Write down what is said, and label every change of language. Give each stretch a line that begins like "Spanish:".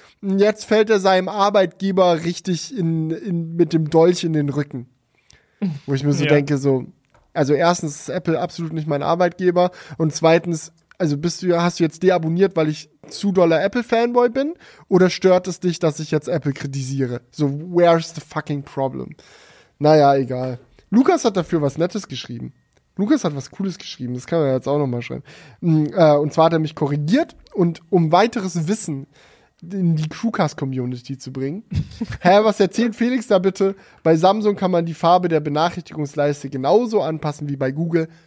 German: Und jetzt fällt er seinem Arbeitgeber richtig mit dem Dolch in den Rücken. Wo ich mir so denke, so, also erstens ist Apple absolut nicht mein Arbeitgeber und zweitens, also hast du jetzt deabonniert, weil ich zu doller Apple-Fanboy bin? Oder stört es dich, dass ich jetzt Apple kritisiere?
English: So, where's the fucking problem?
German: Naja, egal. Lukas hat dafür was Nettes geschrieben. Lukas hat was Cooles geschrieben, das kann man jetzt auch nochmal schreiben. Und zwar hat er mich korrigiert und um weiteres Wissen in die Crewcast-Community zu bringen. Hä, was erzählt Felix da bitte? Bei Samsung kann man die Farbe der Benachrichtigungsleiste genauso anpassen wie bei Google.